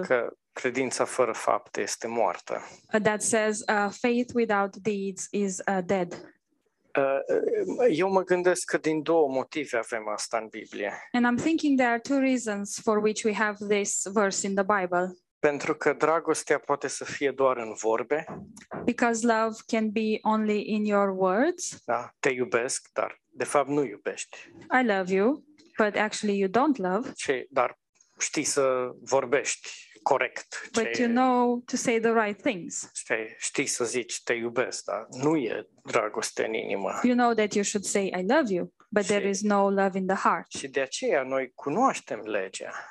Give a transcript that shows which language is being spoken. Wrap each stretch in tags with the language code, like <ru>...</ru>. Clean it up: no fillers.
<ro>Că credința fără fapte este moartă.</ro> <en>That says faith without deeds is dead.</en> <ro>Eu mă gândesc că din două motive avem asta în Biblie.</ro> <en>And I'm thinking there are two reasons for which we have this verse in the Bible.</en> <ro>Pentru că dragostea poate să fie doar în vorbe.</ro> <en>Because love can be only in your words.</en> <ro>Da, te iubesc, dar de fapt nu iubești.</ro> <en>I love you, but actually you don't love.</en> <ro>Și dar știi să vorbești corect.</ro> <en>But you know to say the right things.</en> <ro>Știi să zici te iubesc, dar nu e dragoste în inimă.</ro> <en>You know that you should say I love you, but there is no love in the heart.</en> <ro>Și de aceea noi cunoaștem legea.</ro>